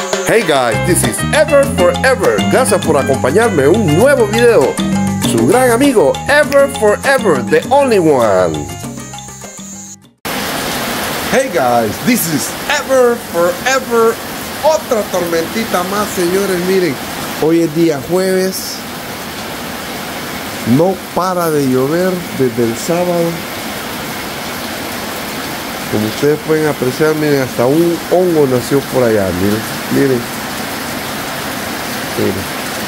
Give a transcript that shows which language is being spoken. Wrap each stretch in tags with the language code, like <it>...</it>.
<en>Hey guys, this is Ever Forever.</en> <es>Gracias por acompañarme en un nuevo video. Su gran amigo Ever Forever,</es> <en>the only one. Hey guys, this is Ever Forever.</en> <es>Otra tormentita más, señores, miren. Hoy es día jueves. No para de llover desde el sábado. Como ustedes pueden apreciar, miren, hasta un hongo nació por allá, miren, miren. Miren.</es>